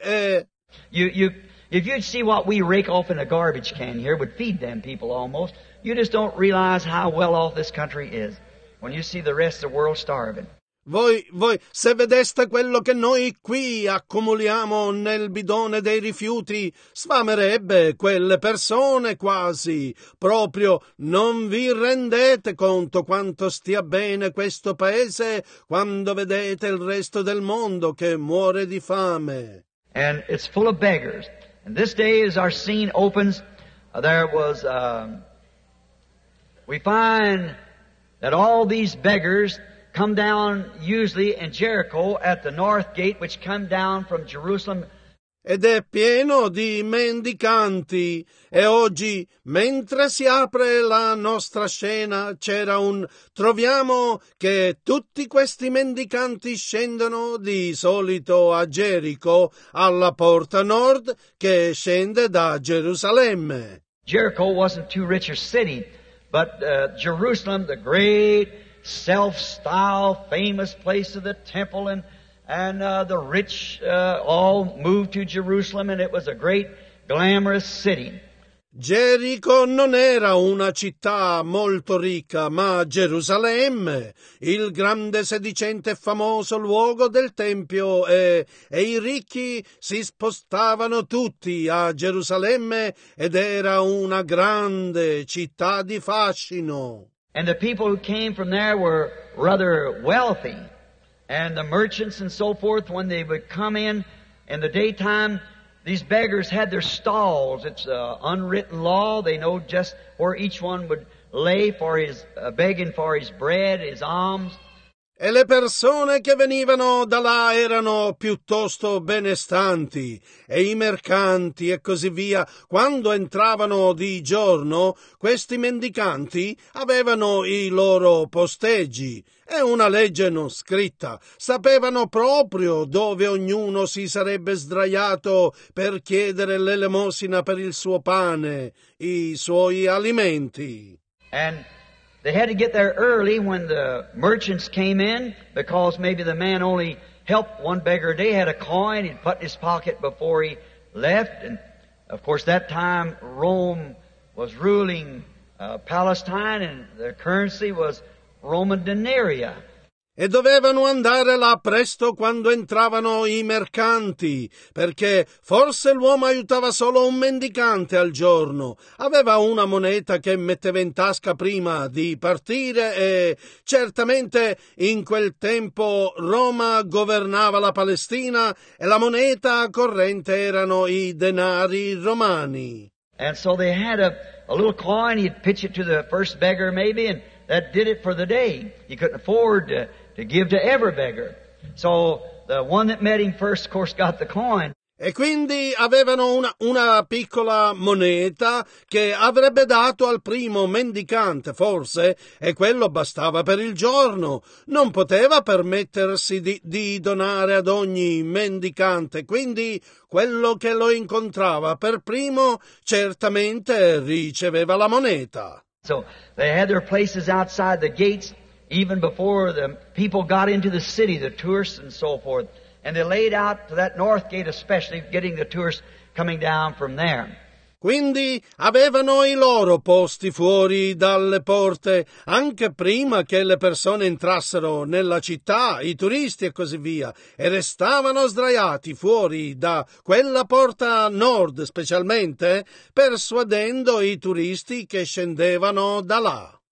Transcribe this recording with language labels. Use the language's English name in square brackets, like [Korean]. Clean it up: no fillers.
[English] E... If you'd see what we rake off in a garbage can here, would feed them people almost, you just don't realize how well off this country is when you see the rest of the world starving. [Italian] Voi se vedeste quello che noi qui accumuliamo nel bidone dei rifiuti, sfamerebbe quelle persone quasi. Proprio non vi rendete conto quanto stia bene questo paese quando vedete il resto del mondo che muore di fame. [English] And it's full of beggars. And this day as our scene opens, there was we find that all these beggars come down usually in Jericho at the north gate, which come down from Jerusalem. [Italian] Ed è pieno di mendicanti. E oggi, mentre si apre la nostra scena, c'era un... troviamo che tutti questi mendicanti scendono di solito a Gerico, alla porta nord che scende da Gerusalemme. [English] Jericho wasn't too rich a city, but Jerusalem, the great... self-styled, famous place of the temple, and the rich all moved to Jerusalem, and it was a great, glamorous city. [Italian] Gerico non era una città molto ricca, ma Gerusalemme, il grande sedicente famoso luogo del Tempio, e i ricchi si spostavano tutti a Gerusalemme, ed era una grande città di fascino. [English] And the people who came from there were rather wealthy. And the merchants and so forth, when they would come in the daytime, these beggars had their stalls. It's an unwritten law. They know just where each one would lay for his begging for his bread, his alms. [Italian] E le persone che venivano da là erano piuttosto benestanti, e i mercanti e così via. Quando entravano di giorno, questi mendicanti avevano i loro posteggi. È una legge non scritta. Sapevano proprio dove ognuno si sarebbe sdraiato per chiedere l'elemosina per il suo pane, i suoi alimenti. [English] They had to get there early when the merchants came in because maybe the man only helped one beggar a day, had a coin he'd put in his pocket before he left. And of course, that time Rome was ruling Palestine and the currency was Roman denarii. [Italian] e dovevano andare là presto quando entravano i mercanti, perché forse l'uomo aiutava solo un mendicante al giorno, aveva una moneta che metteva in tasca prima di partire e certamente in quel tempo Roma governava la Palestina e la moneta corrente erano i denari romani. [English] And so they had a little coin, he'd pitch it to the first beggar maybe, and that did it for the day. He couldn't afford to give to every beggar. So the one that met him first, of course, got the coin. [Italian] E quindi avevano una piccola moneta che avrebbe dato al primo mendicante, forse, e quello bastava per il giorno. Non poteva permettersi di donare ad ogni mendicante, quindi quello che lo incontrava per primo certamente riceveva la moneta. [English] So they had their places outside the gates even before the people got into the city, the tourists and so forth. And they laid out to that north gate especially, getting the tourists coming down from there. [Italian] Quindi avevano i loro posti fuori dalle porte, anche prima che le persone entrassero nella città, i turisti e così via, e restavano sdraiati fuori da quella porta nord specialmente, persuadendo i turisti che scendevano da là.